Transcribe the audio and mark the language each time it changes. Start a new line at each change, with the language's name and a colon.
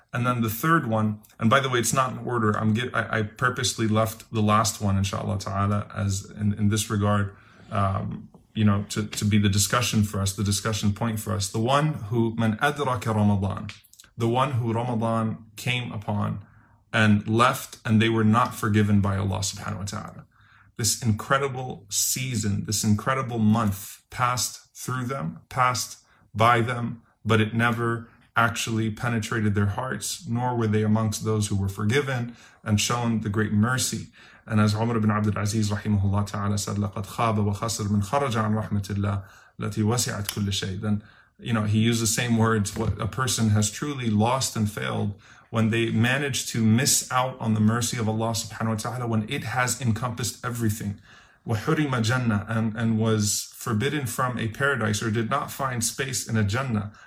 English: And then the third one, and by the way, it's not in order. I purposely left the last one, inshallah ta'ala, as in this regard, to be the discussion for us, the discussion point for us. The one who, man adraka Ramadan, the one who Ramadan came upon and left and they were not forgiven by Allah subhanahu wa ta'ala. This incredible season, this incredible month passed through them, passed by them, but it never actually penetrated their hearts, nor were they amongst those who were forgiven and shown the great mercy. And as Umar ibn Abdul Aziz rahimahullah ta'ala said,
Arabic: لَقَدْ خَابَ وَخَسَرَ مَنْ خَرَجَ عَنْ رَحْمَةِ اللَّهِ لَتِي وَسِعَتْ كُلِّ شَيْءٍ.
English: Then, you know, he used the same words, what a person has truly lost and failed when they manage to miss out on the mercy of Allah subhanahu wa ta'ala when it has encompassed everything.
Arabic: وَحُرِمَ جَنَّةً
English: and was forbidden from a paradise or did not find space in a Jannah.